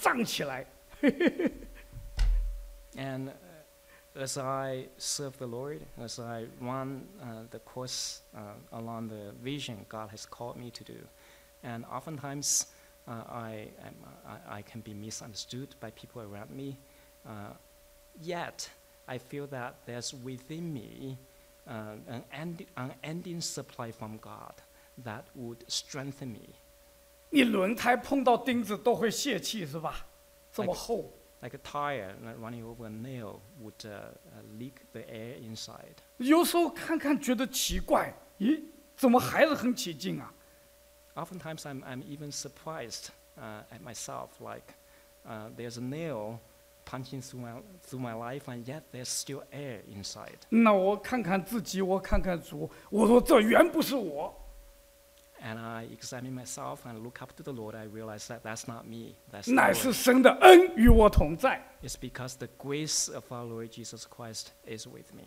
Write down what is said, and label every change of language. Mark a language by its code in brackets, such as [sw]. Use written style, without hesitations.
[zh] 但是有时候你为主做一件事，你发现怎么失败，怎么难，怎么人家不理解，但是里面好像个皮球一样胀起来。 [en] And as I serve the Lord, as I run the course along the vision God has called me to do, and oftentimes I can be misunderstood by people around me. Yet I feel that there's within me an unending supply from God that would strengthen me. [zh] 你轮胎碰到钉子都会泄气是吧？这么厚。 [en] Like a tire running over a nail would leak the air inside. [zh] 有时候看看觉得奇怪，咦，怎么还是很起劲啊？ [en] Oftentimes I'm even surprised at myself. Like there's a nail punching through my life, and yet there's still air inside. [zh] 那我看看自己，我看看主，我说这原不是我。 [en] And I examine myself and look up to the Lord. I realize that that's not me. That's [zh] 乃是神的恩与我同在。 [en] It's because the grace of our Lord Jesus Christ is with me.